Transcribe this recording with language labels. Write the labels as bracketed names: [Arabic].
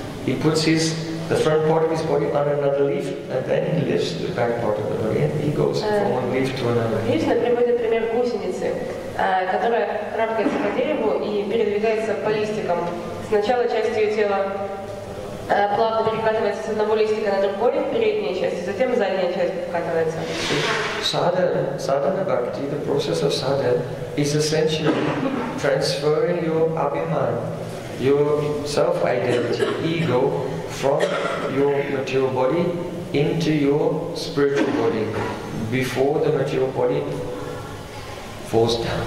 [English] He puts his the front part of his body on another leaf and then he lifts the back part of the body and he goes from one leaf to another. [Russian] Krishna приводит пример гусеницы, которая крапкается по дереву и передвигается по листикам. Сначала часть ее тела плавно перекатывается с одного листика на другой, передняя часть, затем задняя часть перекатывается. [English] Sadhana bhakti, the process of sadhana, is essentially transferring your abhiman, your self-identity, ego, from your material body into your spiritual body before the material body falls down.